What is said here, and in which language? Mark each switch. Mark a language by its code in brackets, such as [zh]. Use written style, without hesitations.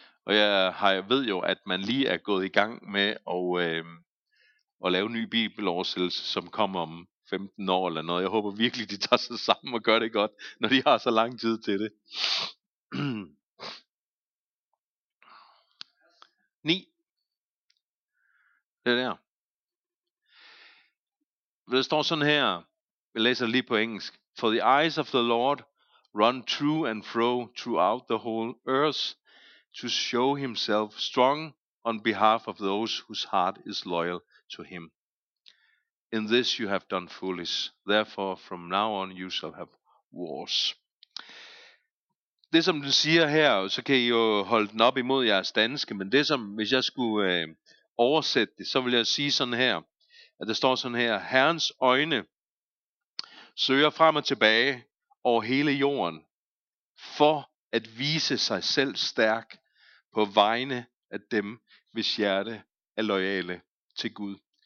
[da] Og jeg ved jo, at man lige er gået i gang med at lave en ny bibeloversættelse, som kommer om 15 år eller noget. Jeg håber virkelig, de tager sig sammen og gør det godt, når de har så lang tid til det. 9. Det er der. Det står sådan her. Jeg læser lige på engelsk. [en] For the eyes of the Lord run to and fro throughout the whole earth to show himself strong on behalf of those whose heart is loyal to him. In this you have done foolish. Therefore, from now on you shall have wars. [da] Det som du siger her, så kan I jo holde den op imod jeres danske, men det som, hvis jeg skulle oversætte det, så vil jeg sige sådan her, at der står sådan her, Herrens øjne søger frem og tilbage over hele jorden for at vise sig selv stærk på vegne af dem, hvis hjerte er loyale til Gud.